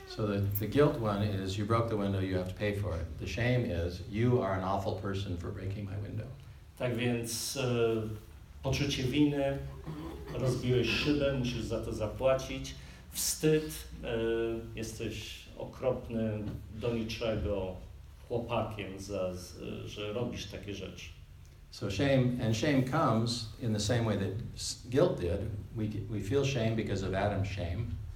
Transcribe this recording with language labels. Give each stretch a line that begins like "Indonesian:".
English: So the guilt one is, you broke the window, you have to pay for it. The shame is, you are an awful person for breaking my window.
Polish: Tak więc poczucie winy, rozbiłeś szybę, musisz za to zapłacić. Wstyd, jesteś okropnym, do niczego chłopakiem, że robisz takie rzeczy.
English: So shame comes in the same way that guilt did. We feel shame because of Adam's shame.